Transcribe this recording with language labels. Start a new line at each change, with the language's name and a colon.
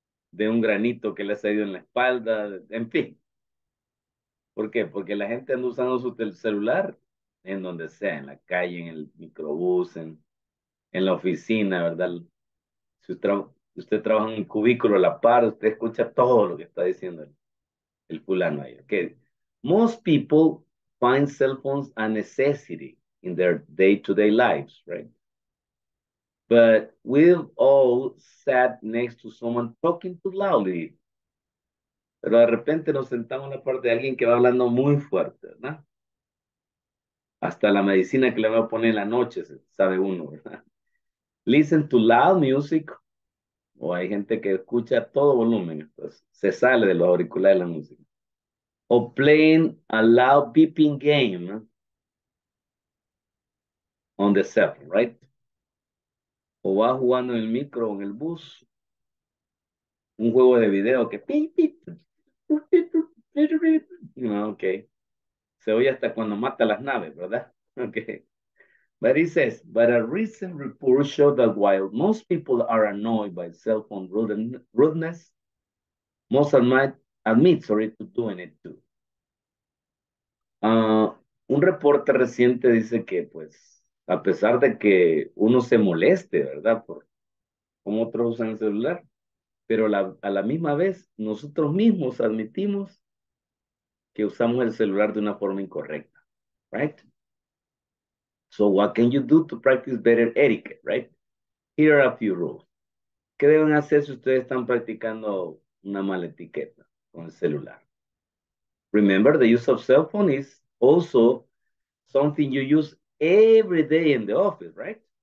Spanish: De un granito que le ha salido en la espalda, en fin. ¿Por qué? Porque la gente anda usando su celular en donde sea, en la calle, en el microbús, en la oficina, ¿verdad? Si usted trabaja en un cubículo a la par, usted escucha todo lo que está diciendo el fulano ahí, ¿ok?
English: Most people find cell phones a necessity in their day-to-day lives, right? But we've all sat next to someone talking too loudly.
Spanish: Pero de repente nos sentamos a la parte de alguien que va hablando muy fuerte, ¿verdad? Hasta la medicina que le va a poner en la noche, sabe uno, ¿verdad?
English: Listen to loud music.
Spanish: O hay gente que escucha a todo volumen, pues se sale de los auriculares de la música.
English: O playing a loud beeping game on the cell, right?
Spanish: O va jugando en el micro o en el bus. Un juego de video que pip, pip, pip, pip, pip, pip. Ok. Se oye hasta cuando mata las naves, ¿verdad? Ok.
English: But it says, but a recent report showed that while most people are annoyed by cell phone rudeness, most admit to doing it too.
Spanish: Un reporte reciente dice que, pues, a pesar de que uno se moleste, ¿verdad? Por cómo otros usan el celular, pero a la misma vez nosotros mismos admitimos que usamos el celular de una forma incorrecta, right?
English: So what can you do to practice better etiquette, right? Here are a few rules.
Spanish: ¿Qué deben hacer si ustedes están practicando una mala etiqueta con el celular?
English: Remember, the use of cell phone is also something you use every day in the office, right?